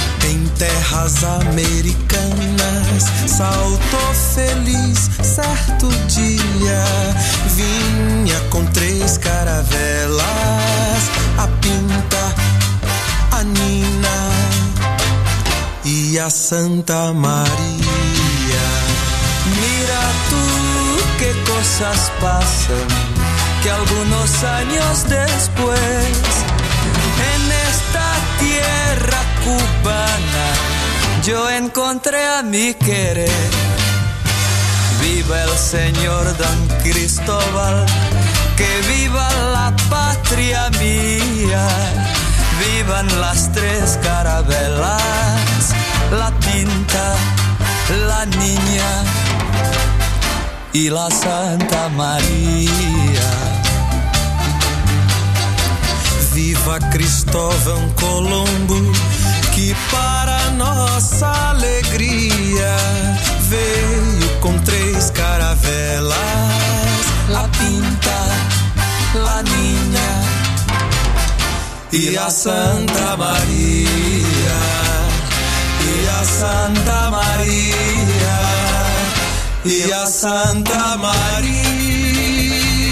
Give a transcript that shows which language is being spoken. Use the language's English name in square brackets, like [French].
[Portuguese] Em terras americanas saltou feliz certo dia. Vinha com três caravelas, a pinta, a nina e a Santa Maria. [Spanish] Mira tu que cosas pasan, que algunos años después, en esta tierra cubana, yo encontré a mi querer. Viva el señor Don Cristóbal, que viva la patria mía. vivan las tres carabelas, la tinta, la niña y la Santa María. [Portuguese] Viva Cristóvão Colombo, que para nossa alegria veio com três caravelas, la pinta, la niña e a Santa Maria, e a Santa Maria, e a Santa Maria.